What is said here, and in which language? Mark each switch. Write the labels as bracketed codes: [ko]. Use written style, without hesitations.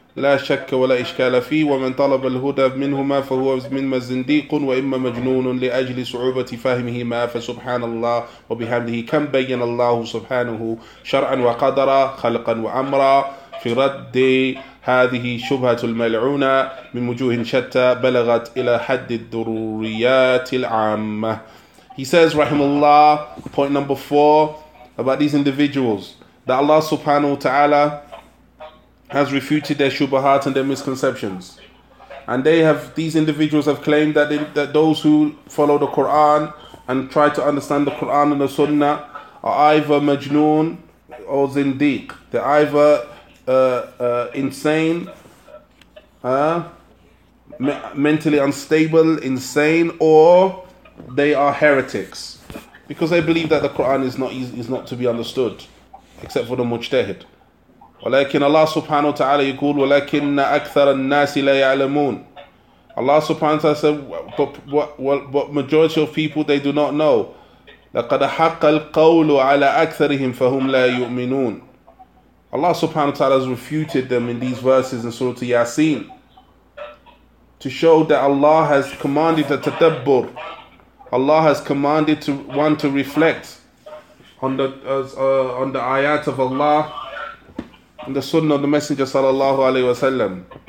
[ar] لا شك ولا إشكال فيه، ومن طلب الهدى منهما فهو مما زنديق وإما مجنون لأجل صعوبة فهمهما. فسبحان الله وبحمده كم بين الله سبحانه شرعا وقدرا خلقا وأمرا في رد هذه الشبهة الملعونة من وجوه شتى بلغت إلى حد الضروريات العامة. [en] He says, rahimallah, point number four about these individuals, that Allah subhanahu wa ta'ala has refuted their shubahat and their misconceptions. And these individuals have claimed that those who follow the Quran and try to understand the Quran and the Sunnah are either majnoon or zindiq. They're either insane, mentally unstable, insane, or they are heretics, because they believe that the Quran is not to be understood except for the mujtahid. [ar] ولكن الله سبحانه وتعالى يقول ولكن أكثر الناس لا يعلمون. [en] Allah subhanahu wa ta'ala said, but majority of people, they do not know. [ar] لقد حق القول على أكثرهم فهم لا يؤمنون. [en] Allah subhanahu wa ta'ala has refuted them in these verses in Surah Yasin to show that Allah has commanded the tadabbur. Allah has commanded one to reflect on the ayat of Allah and the sunnah of the Messenger sallallahu alaihi wasallam.